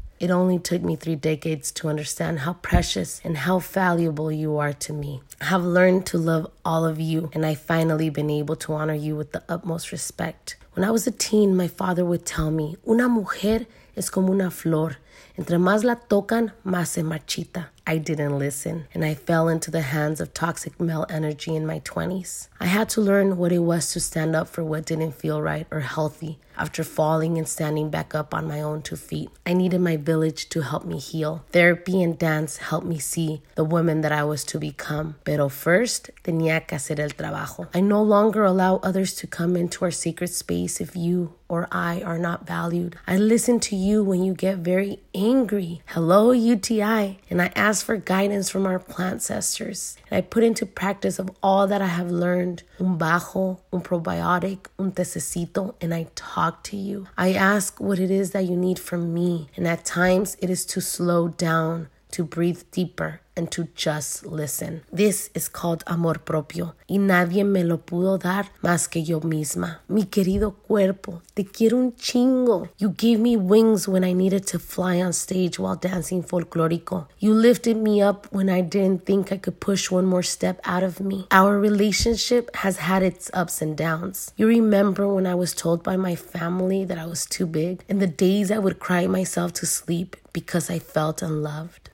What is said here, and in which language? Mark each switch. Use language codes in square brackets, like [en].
[en] It only took me 3 decades to understand how precious and how valuable you are to me. I have learned to love all of you, and I finally been able to honor you with the utmost respect. When I was a teen, my father would tell me, [es] una mujer es como una flor. Entre más la tocan, más se marchita. [en] I didn't listen, and I fell into the hands of toxic male energy in my 20s. I had to learn what it was to stand up for what didn't feel right or healthy after falling and standing back up on my own 2 feet. I needed my village to help me heal. Therapy and dance helped me see the woman that I was to become. [es] Pero [en] first, [es] tenía que hacer el trabajo. [en] I no longer allow others to come into our secret space if you or I are not valued. I listen to you when you get very angry. Hello, UTI. And I ask for guidance from our plantcestors. And I put into practice of all that I have learned. [es] Un bajo, un probiotic, un tececito, [en] and I talk to you. I ask what it is that you need from me. And at times, it is to slow down, to breathe deeper, and to just listen. This is called [es] amor propio. Y nadie me lo pudo dar más que yo misma. Mi querido cuerpo, te quiero un chingo. [en] You gave me wings when I needed to fly on stage while dancing folklorico. You lifted me up when I didn't think I could push one more step out of me. Our relationship has had its ups and downs. You remember when I was told by my family that I was too big, and the days I would cry myself to sleep because I felt unloved.